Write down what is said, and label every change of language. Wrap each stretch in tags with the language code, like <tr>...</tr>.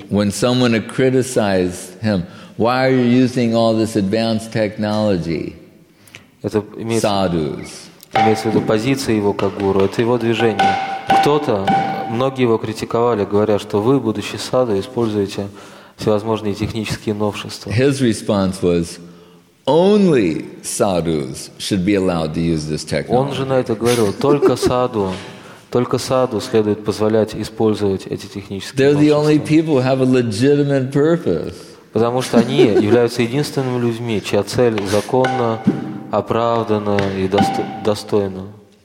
<en>when someone criticized him, why are you using all this advanced technology?</en> <ru>Это имеется в виду позиция его как гуру. Это его движение. Кто-то, многие его критиковали, говоря, что вы, будучи саду, используете всевозможные технические новшества.</ru> <en>His response was, only sadhus should be allowed to use this technology.</en> <ru>Он же на это говорил, только саду следует позволять использовать эти технические</ru> <en>They're</en> <ru>новшества.</ru> <en>They're the only people who have a legitimate purpose.</en> <ru>Потому что они являются единственными людьми, чья цель законна, оправдана и достойна.</ru>